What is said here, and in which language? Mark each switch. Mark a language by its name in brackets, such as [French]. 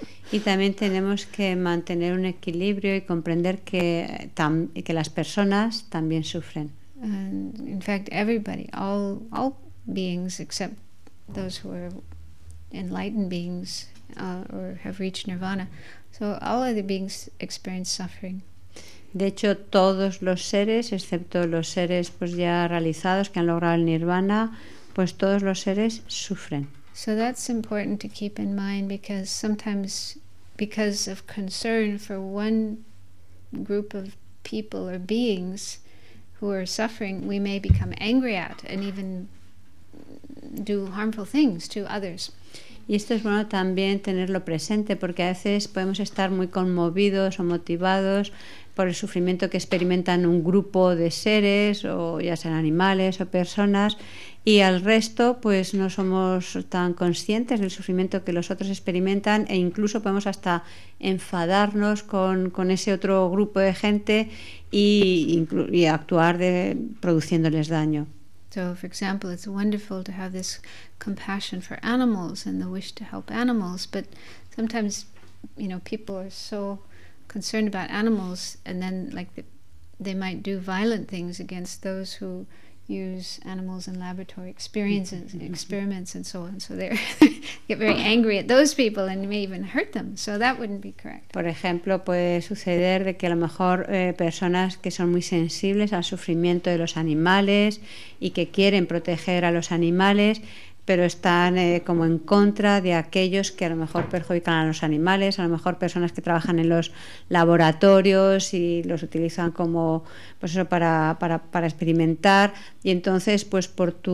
[Spanish] Y también tenemos que mantener un equilibrio y comprender que las personas también sufren. [English] And in fact, everybody, all beings except those who are enlightened beings or have reached nirvana, so all other beings experience suffering. [Spanish] De hecho, todos los seres, excepto los seres pues ya realizados que han logrado el nirvana, pues todos los seres sufren. [English] So that's important to keep in mind, because sometimes, because of concern for one group of people or beings who are suffering, we may become angry at and even do harmful things to others. [Spanish] Y esto es bueno también tenerlo presente, porque a veces podemos estar muy conmovidos o motivados por el sufrimiento que experimentan un grupo de seres, o ya sean animales o personas, y al resto pues no somos tan conscientes del sufrimiento que los otros experimentan, e incluso podemos hasta enfadarnos con ese otro grupo de gente y actuar produciéndoles daño. [English] So, for example, it's wonderful to have this compassion for animals and the wish to help animals, but sometimes, you know, people are so concerned about animals, and then like they might do violent things against those who use animals in laboratory experiments and so on, so they get very angry at those people and may even hurt them, so that wouldn't be correct. [Spanish] Por ejemplo, puede suceder de que a lo mejor personas que son muy sensibles al sufrimiento de los animales y que quieren proteger a los animales, pero están como en contra de aquellos que a lo mejor perjudican a los animales, a lo mejor personas que trabajan en los laboratorios y los utilizan como pues eso para experimentar, y entonces pues por